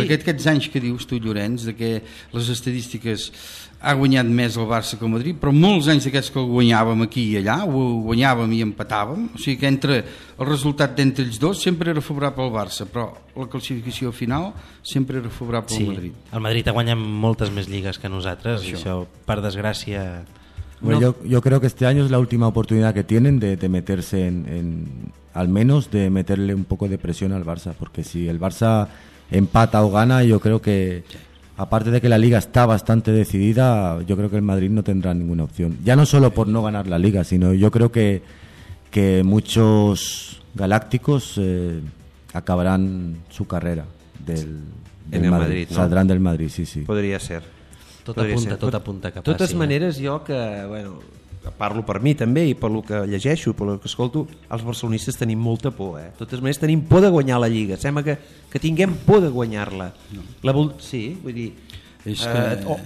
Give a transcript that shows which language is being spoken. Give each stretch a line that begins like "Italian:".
Catalan: Perquè aquests anys que dius tu, Llorenç, de que les estadístiques ha guanyat més el Barça que el Madrid, però molts anys d'aquests que el guanyàvem aquí i allà, ho guanyàvem i empatàvem, o sigui que entre el resultat d'entre ells dos sempre era favorable al Barça, però la classificació final sempre era favorable al Madrid. El Madrid ha guanyat moltes més lligues que nosaltres, això per desgràcia...
Spanish: Bueno, no. Yo creo que este año es la última oportunidad que tienen de meterse en al menos de meterle un poco de presión al Barça, porque si el Barça empata o gana, yo creo que, aparte de que la Liga está bastante decidida, yo creo que el Madrid no tendrá ninguna opción. Ya no solo por no ganar la Liga, sino yo creo que muchos galácticos acabarán su carrera del Madrid. Madrid, ¿no? Saldrán del Madrid, sí.
Catalan: Podria ser. Tot apunta que passi. De totes maneres, jo que, bueno, parlo per mi també i pel que llegeixo, pel que escolto, els barcelonistes tenim molta por, eh? De totes maneres, tenim por de guanyar la Lliga. Sembla que tinguem por de guanyar-la. No. Sí, vull dir... És que...